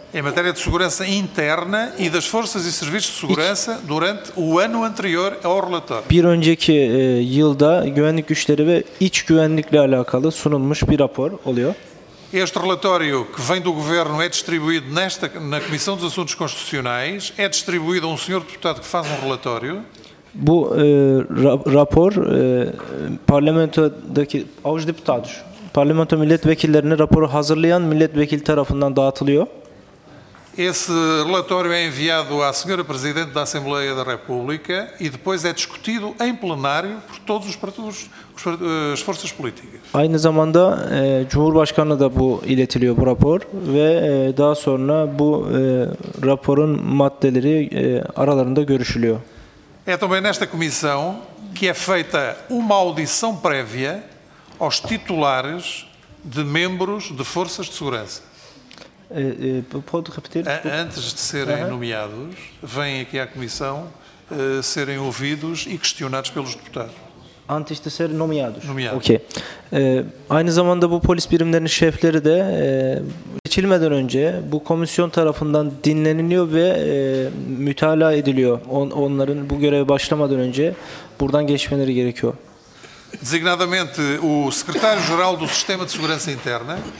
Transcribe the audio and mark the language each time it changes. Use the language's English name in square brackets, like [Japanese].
[Portuguese] Em matéria de segurança interna e das forças e serviços de segurança durante o ano anterior ao relatório. [Turkish] Bir önceki yılda güvenlik güçleri ve iç güvenlikle alakalı sunulmuş bir rapor oluyor. [Portuguese] Este relatório que vem do governo é distribuído na Comissão dos Assuntos Constitucionais, é distribuído a um senhor deputado que faz um relatório. [Turkish] Bu rapor parlamentodaki avcı deputados. Parlamento milletvekillerine raporu hazırlayan milletvekili tarafından dağıtılıyor. [Portuguese] Esse relatório é enviado à senhora presidente da Assembleia da República e depois é discutido em plenário por todos os partidos, as forças políticas. [Turkish] Aynı zamanda Cumhurbaşkanı'na da bu iletiliyor bu rapor ve daha sonra bu raporun maddeleri aralarında görüşülüyor. [Portuguese] É também nesta comissão que é feita uma audição prévia aos titulares de membros de forças de segurança. Pode repetir? Antes de serem nomeados, vêm aqui à comissão serem ouvidos e questionados pelos deputados. Antes de serem nomeados? Nomeados. Ok. [Turkish] Aynı zamanda bu polis birimlerinin şefleri de seçilmeden önce bu komisyon tarafından dinleniliyor ve mütalaa ediliyor. Onların bu göreve başlamadan önce buradan geçmeleri gerekiyor. [Portuguese] Designadamente o secretário-geral do Sistema de Segurança Interna.